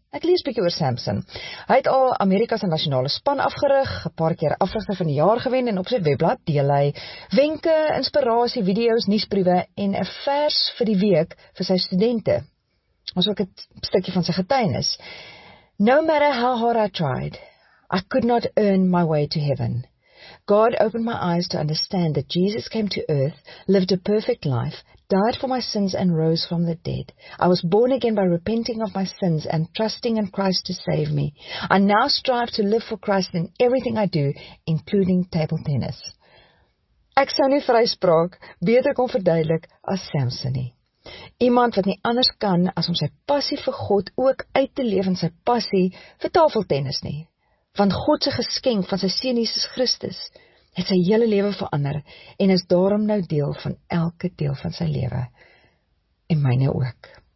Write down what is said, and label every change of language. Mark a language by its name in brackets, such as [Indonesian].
[Afrikaans] Ek lees bietjie oor Samson. Hy het al Amerika se nasionale span afgerig, 'n paar keer afrigter van die jaar gewen en op sy webblad deel hy wenke, inspirasie, video's, nuusbriewe en 'n vers vir die week vir sy studente. Ons ook 'n stukkie van sy getuienis. [English] No matter how hard I tried, I could not earn my way to heaven. God opened my eyes to understand that Jesus came to earth, lived a perfect life, died for my sins and rose from the dead. I was born again by repenting of my sins and trusting in Christ to save me. I now strive to live for Christ in everything I do, including table tennis. [Afrikaans] Ek sou nie vryspraak beter kon verduidelik as Samson nie. Iemand wat nie anders kan as om sy passie vir God ook uit te leef in sy passie vir tafeltennis nie. Van God se geskenk van sy seun Jesus Christus het sy hele lewe verander en is daarom nou deel van elke deel van sy lewe en myne ook.